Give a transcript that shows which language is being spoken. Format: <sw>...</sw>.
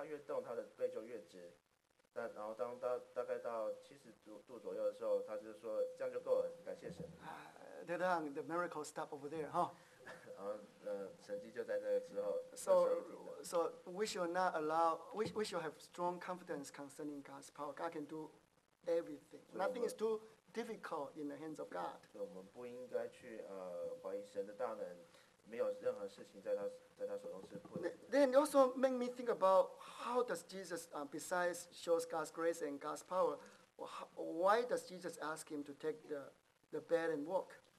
<en>Okay, so</en> <zh>当圣灵降到她身上的时候,她开始震动,然后当每她越动,她的背就越直。然后当大概到70度左右的时候，他就说这样就够了，感谢神。</zh> <en>The miracle stopped over there, huh?</en> <zh>然后神迹就在那个时候。</zh> <en>So we should not allow, we should have strong confidence concerning God's power. God can do everything. Nothing is too difficult in the hands of God.</en> <zh>所以我们不应该去怀疑神的大能，没有任何事情在他手中是不能。</zh> <en>Then it also make me think about how does Jesus, besides shows God's grace and God's power, why does Jesus ask him to take the bed and walk?</en>